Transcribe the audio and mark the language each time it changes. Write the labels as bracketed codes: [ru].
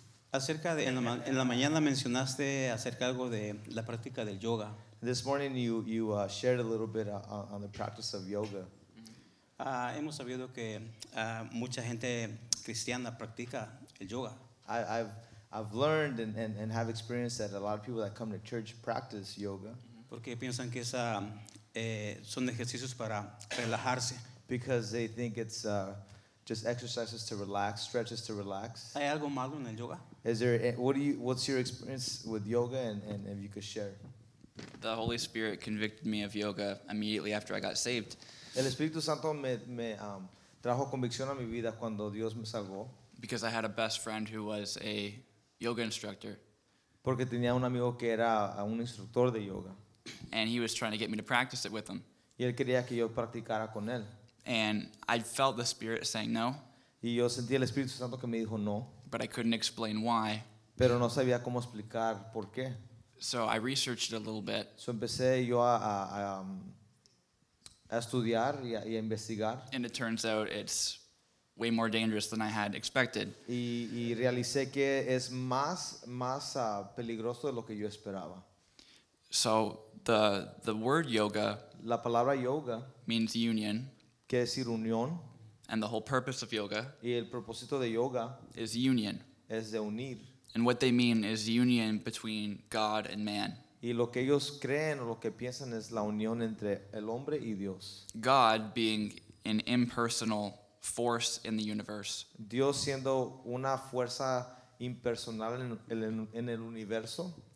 [es] Acerca de, en la mañana mencionaste acerca algo de la práctica del yoga. [en] This morning you shared a little bit on the practice of yoga. [es] Hemos sabido que mucha gente cristiana practica el yoga. [en] I've learned and have experienced that a lot of people that come to church practice yoga. [es] Porque piensan que esa son ejercicios para relajarse. [en] Because they think it's just exercises to relax, stretches to relax. [es] ¿Hay algo malo en el yoga? [en] Is there what's your experience with yoga and if you could share? The Holy Spirit convicted me of yoga immediately after I got saved. [es] El Espíritu Santo me trajo convicción a mi vida cuando Dios me salvó. [en] Because I had a best friend who was a yoga instructor. [es] Porque tenía un amigo que era un instructor de yoga. [en] And he was trying to get me to practice it with him. [es] Y él quería que yo practicara con él. [en] And I felt the Spirit saying no. [es] Y yo sentí el Espíritu Santo que me dijo no. [en] But I couldn't explain why. [es] Pero no sabía cómo explicar por qué. [en] So I researched it a little bit. [es] So empecé yo a estudiar y a investigar. [en] And it turns out it's way more dangerous than I had expected. [es] Y realicé que es más peligroso de lo que yo esperaba. [en] So the word yoga, [es] la palabra yoga, [en] means union. [es] Quiere decir unión. [en] And the whole purpose of yoga, [es] y el propósito de yoga, [en] is union. [es] Es de unir. [en] And what they mean is union between God and man. [es] Y lo que ellos creen o lo que piensan es la unión entre el hombre y Dios. [en] God being an impersonal force in the universe. [es] Dios siendo una fuerza impersonal en el universo.